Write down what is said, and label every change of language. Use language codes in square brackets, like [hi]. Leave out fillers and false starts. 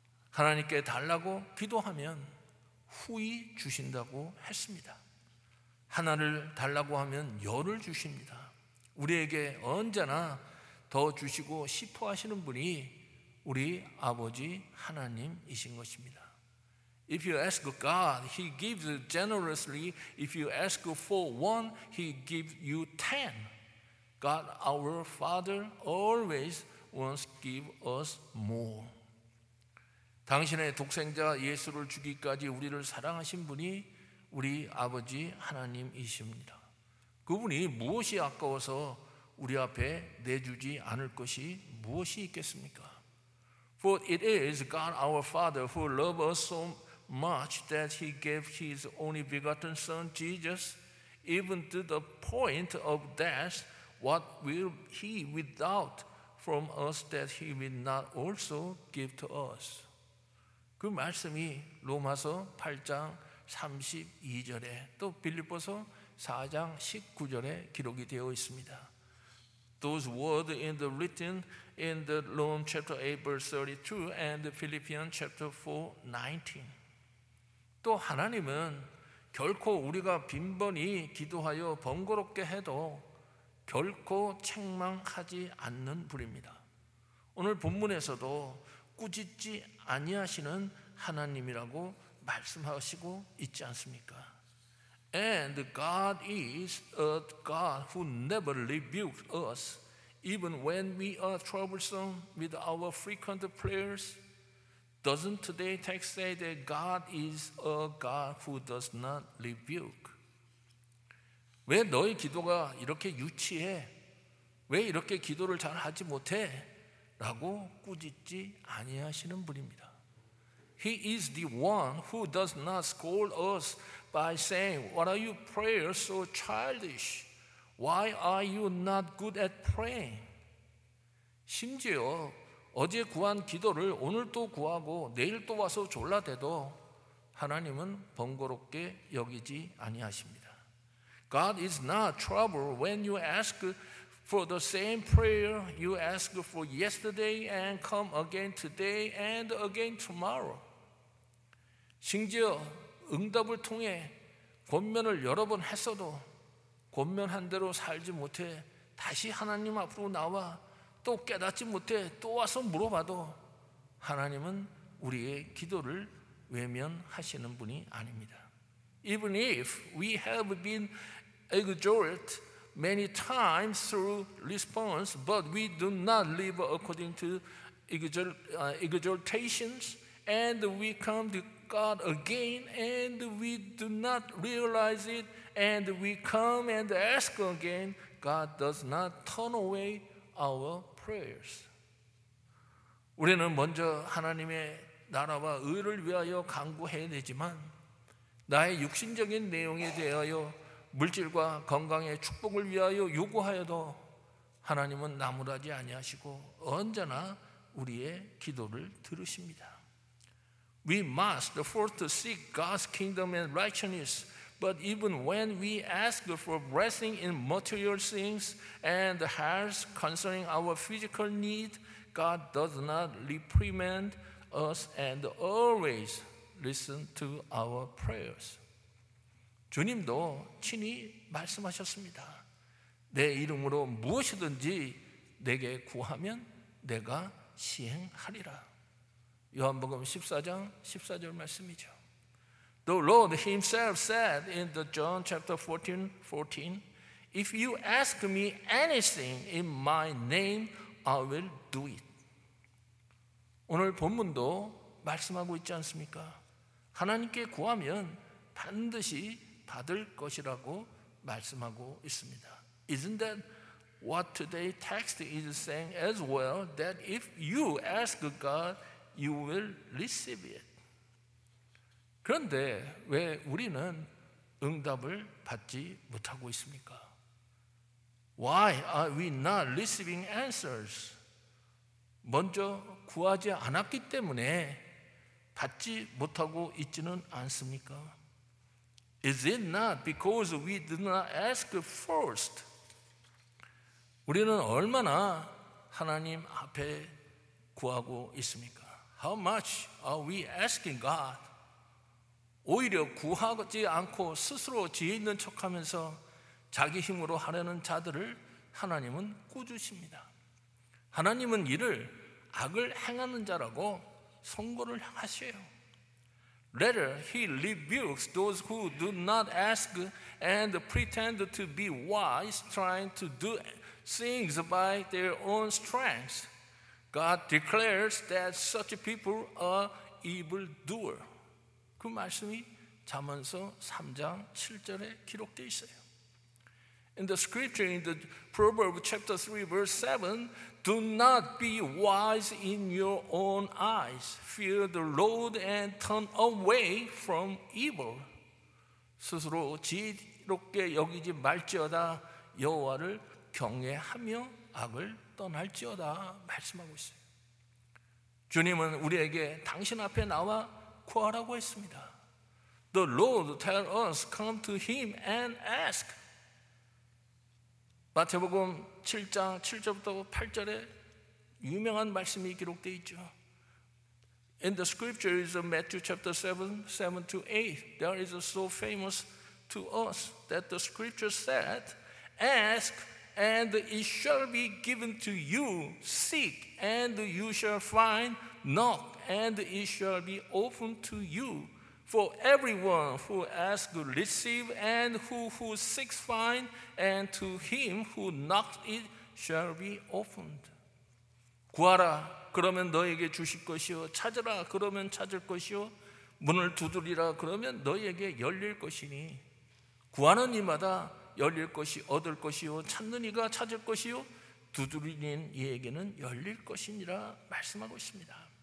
[ko] 하나님께 달라고 기도하면 후히 주신다고 했습니다. 하나를 달라고 하면 열을 주십니다. 우리에게 언제나 더 주시고 싶어 하시는 분이 우리 아버지 하나님이신 것입니다. [en] If you ask God, He gives generously. If you ask for one, He gives you ten. God, our Father, always wants to give us more. [ko] 당신의 독생자 예수를 주기까지 우리를 사랑하신 분이 우리 아버지 하나님이십니다. 그분이 무엇이 아까워서 우리 앞에 내주지 않을 것이 무엇이 있겠습니까? [en] For it is God, our Father, who loves us so much that he gave his only begotten son Jesus even to the point of death. What will he without from us that he will not also give to us? [ko] 그 말씀이 로마서 8장 32절에 또 빌립보서 4장 19절에 기록이 되어 있습니다. [en] Those words in the written in the Romans chapter 8 verse 32 and the Philippians chapter 4 19. [ko] 또 하나님은 결코 우리가 빈번히 기도하여 번거롭게 해도 결코 책망하지 않는 분입니다. 오늘 본문에서도 꾸짖지 아니하시는 하나님이라고 말씀하시고 있지 않습니까? [en] And God is a God who never rebukes us even when we are troublesome with our frequent prayers. Doesn't today's text say that God is a God who does not rebuke? [ko] 왜 너의 기도가 이렇게 유치해? 왜 이렇게 기도를 잘 하지 못해? 라고 꾸짖지 아니하시는 분입니다. [en] He is the one who does not scold us by saying, What are your prayers so childish? Why are you not good at praying? [ko] 심지어 어제 구한 기도를 오늘 또 구하고 내일 또 와서 졸라대도 하나님은 번거롭게 여기지 아니하십니다. [en] God is not troubled when you ask for the same prayer you ask for yesterday and come again today and again tomorrow. [ko] 심지어 응답을 통해 권면을 여러 번 했어도 권면한 대로 살지 못해 다시 하나님 앞으로 나와 또 깨닫지 못해 또 와서 물어봐도 하나님은 우리의 기도를 외면하시는 분이 아닙니다. [en] Even if we have been exhorted many times through response, but we do not live according to exhortations, and we come to God again, and we do not realize it, and we come and ask again, God does not turn away our prayers. [ko] 우리는 먼저 하나님의 나라와 의를 위하여 간구해야 되지만 나의 육신적인 내용에 대하여 물질과 건강의 축복을 위하여 요구하여도 하나님은 나무라지 아니하시고 언제나 우리의 기도를 들으십니다. [en] We must first seek God's kingdom and righteousness. But even when we ask for blessing in material things and health concerning our physical need, God does not reprimand us and always listen to our prayers. [ko] 주님도 친히 말씀하셨습니다. 내 이름으로 무엇이든지 내게 구하면 내가 시행하리라. 요한복음 14장 14절 말씀이죠. [en] The Lord himself said in the John chapter 14, 14, If you ask me anything in my name, I will do it. [ko] 오늘 본문도 말씀하고 있지 않습니까? 하나님께 구하면 반드시 받을 것이라고 말씀하고 있습니다. [en] Isn't that what today's text is saying as well, that if you ask God, you will receive it? [ko] 그런데 왜 우리는 응답을 받지 못하고 있습니까? [en] Why are we not receiving answers? [ko] 먼저 구하지 않았기 때문에 받지 못하고 있지는 않습니까? [en] Is it not because we did not ask first? [ko] 우리는 얼마나 하나님 앞에 구하고 있습니까? [en] How much are we asking God? [ko] 오히려 구하지 않고 스스로 지혜 있는 척하면서 자기 힘으로 하려는 자들을 하나님은 꾸짖으십니다. 하나님은 이를 악을 행하는 자라고 선고를 하세요. [en] Later, he rebukes those who do not ask and pretend to be wise, trying to do things by their own strength. God declares that such people are evildoers. [ko] 그 말씀이 잠언서 3장 7절에 기록되어 있어요. [en] In the scripture, in the Proverbs chapter 3, verse 7, Do not be wise in your own eyes. Fear the Lord and turn away from evil. [ko] 스스로 지혜롭게 여기지 말지어다 여호와를 경외하며 악을 떠날지어다 말씀하고 있어요. 주님은 우리에게 당신 앞에 나와 구하라고 했습니다. [en] The Lord tell us, come to him and ask. [ko] 마태복음 7장 7절부터 8절에 유명한 말씀이 기록되어 있죠. [en] In the scripture is Matthew chapter 7, 7 to 8. There is so famous to us that the scripture said, Ask and it shall be given to you. Seek and you shall find. Knock and it shall be opened to you. For everyone who asks, receive, and who seeks, find, and to him who knocks, it shall be opened. [ko] 구하라, 그러면 너에게 주실 것이요. 찾으라, 그러면 찾을 것이요. 문을 두드리라, 그러면 너에게 열릴 것이니. 구하는 이마다 열릴 것이 얻을 것이요. 찾는 이가 찾을 것이요. 두드리는 이에게는 열릴 것이니라 말씀하고 있습니다.